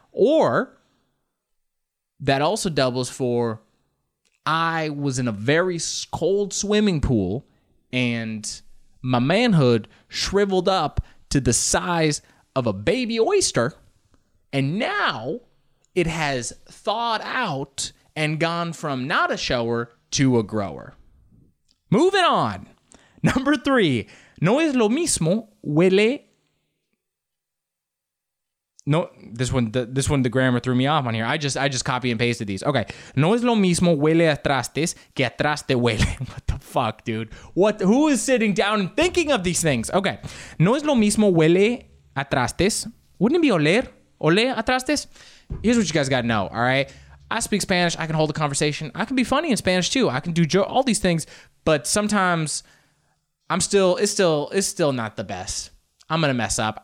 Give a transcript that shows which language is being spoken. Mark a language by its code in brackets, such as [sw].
[en] Or, that also doubles for, I was in a very cold swimming pool, and my manhood shriveled up to the size of a baby oyster, and now it has thawed out and gone from not a shower to a grower. Moving on. Number three. [es] No es lo mismo huele. [en] No, this one, the grammar threw me off on here. I just copy and pasted these. Okay. [es] No es lo mismo huele a trastes que a traste huele. [en] What the fuck, dude? Who is sitting down and thinking of these things? [es] Okay. No es lo mismo huele a trastes. [en] Wouldn't it be [es] oler? Ole a trastes? [en] Here's what you guys got to know, all right? I speak Spanish. I can hold a conversation. I can be funny in Spanish, too. I can do all these things. But sometimes it's still not the best. I'm going to mess up.